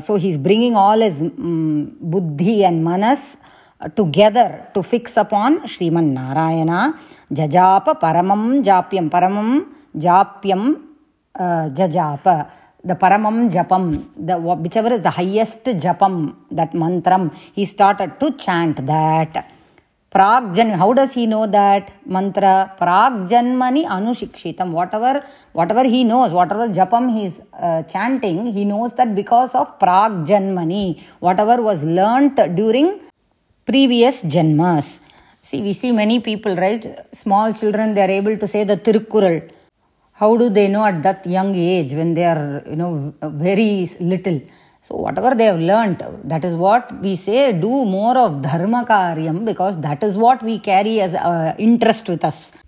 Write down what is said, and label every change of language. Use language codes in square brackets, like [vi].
[en] So he's bringing all his buddhi and manas together to fix upon Sriman Narayana. [sa] Jajapa paramam japyam. Paramam japyam jajapa. [en] The paramam japam, the whichever is the highest japam, that mantram, he started to chant that. ప్రాగ్జన్, how does he know that మంత్ర [sa] ప్రాగ్జన్మని అనుశిక్షితం, [en] Whatever he knows, whatever జపం he's chanting, he knows that because of ప్రాగ్జన్మని, whatever was learned during previous జన్మస్. See, we see many people, right? Small children, they are able to say the Tirukkural. How do they know at that young age when they are, you know, very little? So, whatever they have learnt, that is what we say, do more of dharma karyam, because that is what we carry as interest with us.